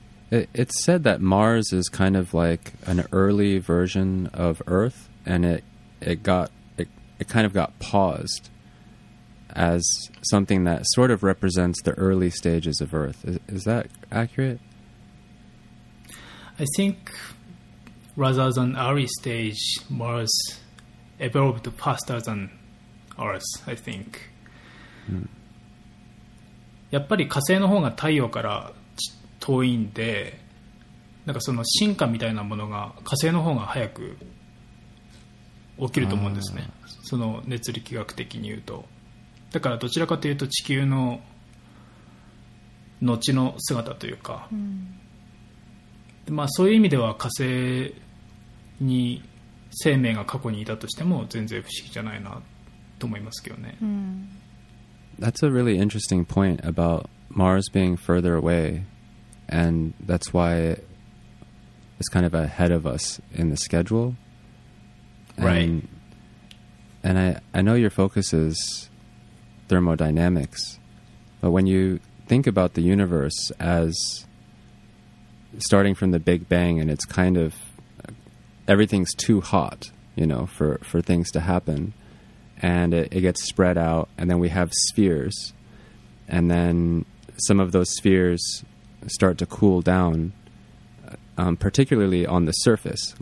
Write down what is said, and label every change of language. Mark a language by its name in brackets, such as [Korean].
[Japanese] It's said that Mars is kind of like an early version of Earth, and it kind of got paused as something that sort of represents the early stages of Earth. Is that accurate? I think rather than early stage, Mars evolved faster than Earth, I think. やっぱり火星の方が太陽から遠いんで、なんかその進化みたいなものが火星の方が早く起きると思うんですね、その熱力学的に言うと。だからどちらかというと地球の後の姿というか、うん、まあ、そういう意味では火星に生命が過去にいたとしても全然不思議じゃないなと思いますけどね、うん、 [English] That's a really interesting point about Mars being further away, and that's why it's kind of ahead of us in the schedule. And I know your focus is thermodynamics, but when you think about the universe as starting from the Big Bang, and it's kind of everything's too hot, you know, for things to happen, and it gets spread out, and then we have spheres, and then some of those spheres start to cool down, particularly on the surface.